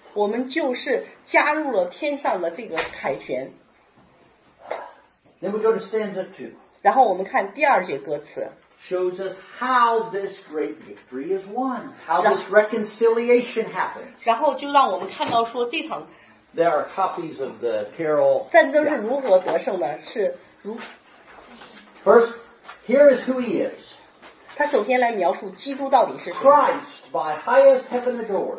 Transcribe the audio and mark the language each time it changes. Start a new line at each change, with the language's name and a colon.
Chinese: 我们就是加入了天上的这个凯旋。
English: Then we go to stanza two.
Chinese: 然后我们看第二节歌词。
English: Shows us how this great victory is won, how this reconciliation happens.
Chinese: 然后就让我们看到说这场
English: There are copies of the carol.
Chinese: 战争是如何得胜的？是如
English: First, here is who he is.
Chinese: 他首先来描述基督到底是谁。
English: Christ by highest heaven adored.